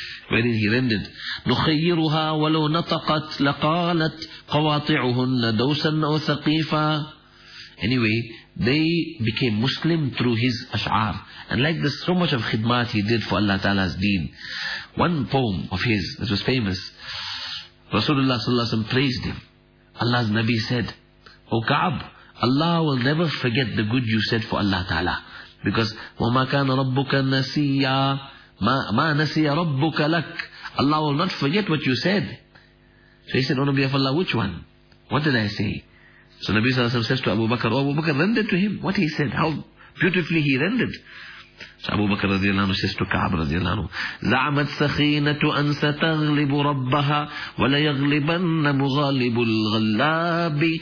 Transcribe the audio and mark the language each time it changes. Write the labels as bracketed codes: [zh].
[en] Wherein he rendered, [ar] نخيرها ولو نطقت لقالت قواطعهن دوسا أو ثقيفا. [en] Anyway, they became Muslim through his ash'ar. And like this, so much of khidmat he did for Allah Ta'ala's deen. One poem of his that was famous, Rasulullah sallallahu alayhi wa sallam praised him. Allah's Nabi said, O Ka'ab, Allah will never forget the good you said for Allah Ta'ala. Because, [ar] وَمَا كَانَ رَبُّكَ نَسِيًّا مَا نَسِيَ رَبُّكَ لَكْ. [en] Allah will not forget what you said. So he said, O Nabi of Allah, which one? What did I say? So Nabi sallallahu alayhi wa sallam says to Abu Bakr, Abu Bakr rendered to him what he said, how beautifully he rendered. So Abu Bakr radiallahu anhu says to Ka'ab radiallahu anhu, [ar] زَعْمَتْ سَخِينَةُ أَنْ سَتَغْلِبُ رَبَّهَا وَلَيَغْلِبَنَّ مُغَالِبُ الْغَلَّابِ.